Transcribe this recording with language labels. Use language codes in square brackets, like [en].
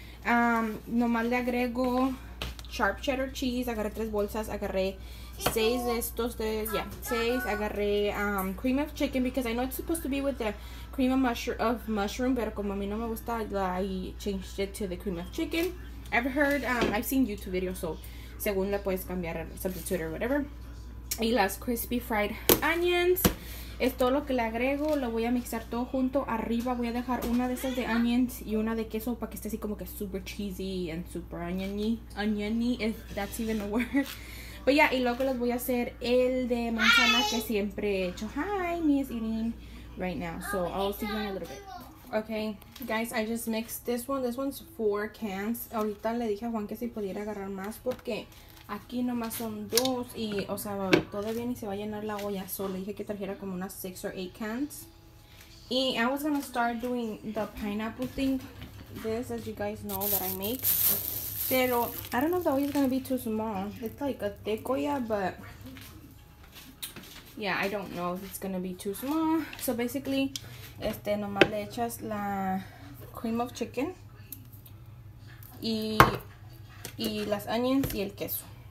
[es] Nomás le agrego [en] sharp cheddar cheese. [es] Agarré tres bolsas. Agarré. Seis de estos tres, yeah, seis. Agarré [en] cream of chicken because I know it's supposed to be with the cream of mushroom, [es] pero como a mí no me gusta, [en] I changed it to the cream of chicken. I've heard, I've seen YouTube videos, so [es] según la puedes cambiar, [en] substitute or whatever. [es] Y las [en] crispy fried onions, [es] es todo lo que le agrego, lo voy a mixar todo junto. Arriba voy a dejar una de esas de onions y una de queso para que esté así como que [en] super cheesy and super oniony, if that's even a word. But yeah, [es] y luego les voy a hacer el de manzana que siempre he hecho. [en] Hi, me is eating right now. So I'll see you in a little bit. Okay, guys, I just mixed this one. This one's 4 cans. [es] Ahorita le dije a Juan que si pudiera agarrar más porque aquí nomás son 2. Y, o sea, todavía ni se va a llenar la olla. So le dije que trajera como unas 6 [en] or 8 cans. Y I was gonna start doing the pineapple thing. This, as you guys know, that I make. Pero, I don't know if the olla is going to be too small. It's like a thick olla, but yeah, I don't know if it's going to be too small. [es] So basically, nomás le echas la [en] cream of chicken [es] y las onions y el queso.